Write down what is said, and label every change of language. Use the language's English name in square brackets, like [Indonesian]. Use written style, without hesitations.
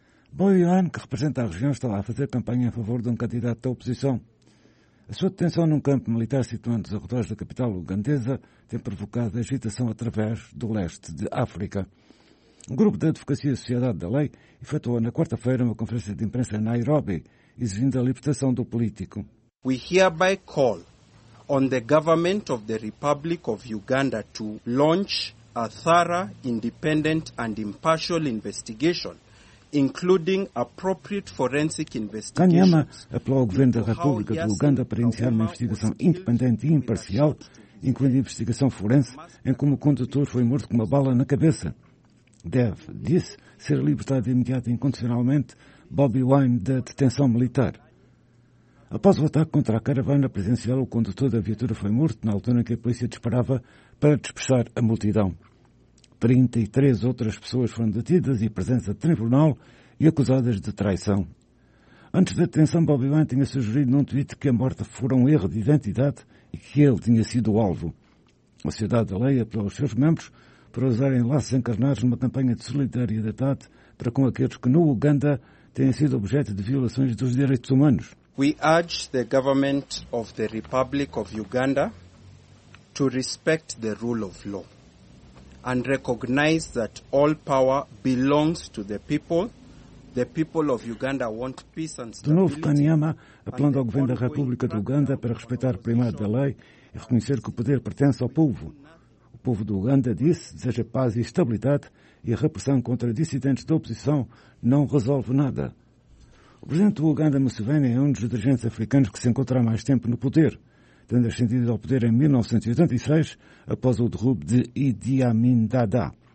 [Portuguese] Bobi Wine, que representa a região, estava a fazer campanha em favor de um candidato da oposição. A sua detenção num campo militar situado nos arredores da capital ugandesa tem provocado agitação através do leste de África. Um grupo de advocacia e sociedade da lei efetuou na quarta-feira uma conferência de imprensa em Nairobi, exigindo a libertação do político. [English] We hereby call on the government of the Republic of Uganda to launch a thorough, independent and impartial investigation, including appropriate forensic investigations. [Portuguese] Kanyama apelou ao governo da República do Uganda para iniciar uma investigação independente e imparcial, incluindo investigação forense, em como o condutor foi morto com uma bala na cabeça. Deve, disse, ser libertado imediatamente e incondicionalmente Bobi Wine da detenção militar. Após o ataque contra a caravana presidencial, o condutor da viatura foi morto na altura em que a polícia disparava para dispersar a multidão. 33 outras pessoas foram detidas e presentes a tribunal e acusadas de traição. Antes da detenção, Bobi Wine tinha sugerido num tweet que a morte fora um erro de identidade e que ele tinha sido o alvo. A Sociedade da Lei apelou aos seus membros para usarem laços encarnados numa campanha de solidariedade para com aqueles que no Uganda têm sido objeto de violações dos direitos humanos. [English] We urge the government of the Republic of Uganda to respect the rule of law and recognize that all power belongs to the people. The people of Uganda want peace and stability. [Portuguese] De novo, Kanyama, apelando ao governo da República do Uganda para respeitar o primado da lei e reconhecer que o poder pertence ao povo. O povo do Uganda, disse, deseja paz e estabilidade e a repressão contra dissidentes da oposição não resolve nada. O presidente do Uganda, Museveni, é um dos dirigentes africanos que se encontra há mais tempo no poder, tendo ascendido ao poder em 1986, após o derrubo de Idi Amin Dada.